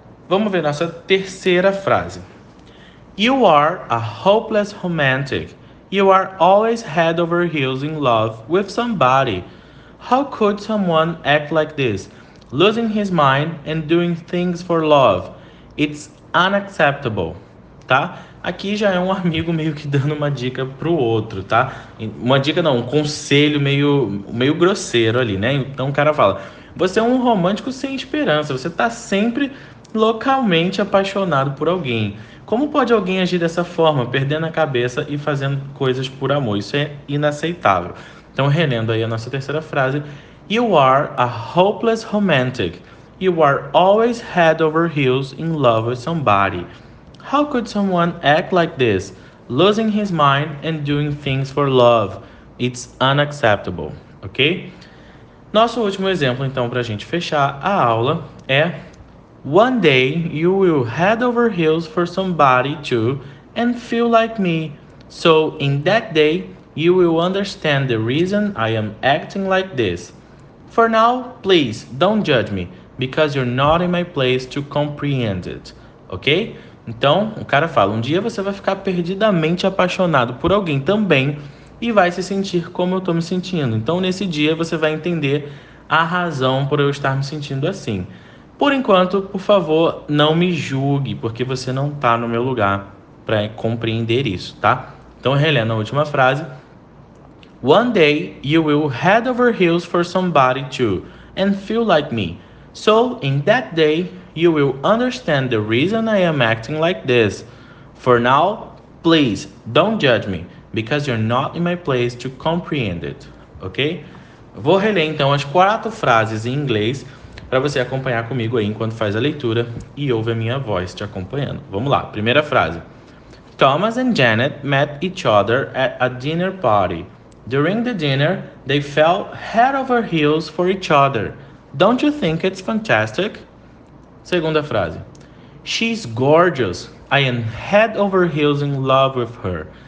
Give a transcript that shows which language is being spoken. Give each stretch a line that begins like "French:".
Portuguese: Vamos ver nossa terceira frase.
English: You are a hopeless romantic. You are always head over heels in love with somebody. How could someone act like this? Losing his mind and doing things for love. It's unacceptable. Tá?
Portuguese: Aqui já é um amigo meio que dando uma dica pro outro, tá? Uma dica não, um conselho meio grosseiro ali, né? Então o cara fala: você é um romântico sem esperança, você tá sempre localmente apaixonado por alguém. Como pode alguém agir dessa forma, perdendo a cabeça e fazendo coisas por amor? Isso é inaceitável. Então, relendo aí a nossa terceira frase:
English: You are a hopeless romantic. You are always head over heels in love with somebody. How could someone act like this? Losing his mind and doing things for love. It's unacceptable.
Portuguese: Ok? Nosso último exemplo, então, para a gente fechar a aula é:
English: One day you will head over heels for somebody too and feel like me. So in that day you will understand the reason I am acting like this. For now, please don't judge me because you're not in my place to comprehend it. Ok?
Portuguese: Então o cara fala: um dia você vai ficar perdidamente apaixonado por alguém também e vai se sentir como eu estou me sentindo. Então, nesse dia, você vai entender a razão por eu estar me sentindo assim. Por enquanto, por favor, não me julgue, porque você não está no meu lugar para compreender isso, tá? Então, relendo a última frase.
English: One day, you will head over heels for somebody too, and feel like me. So, in that day, you will understand the reason I am acting like this. For now, please, don't judge me, because you're not in my place to comprehend it. Ok?
Portuguese: Vou reler então as quatro frases em inglês para você acompanhar comigo aí enquanto faz a leitura e ouve a minha voz te acompanhando. Vamos lá, primeira frase.
English: Thomas and Janet met each other at a dinner party. During the dinner, they fell head over heels for each other. Don't you think it's fantastic?
Portuguese: Segunda frase.
English: She's gorgeous. I am head over heels in love with her.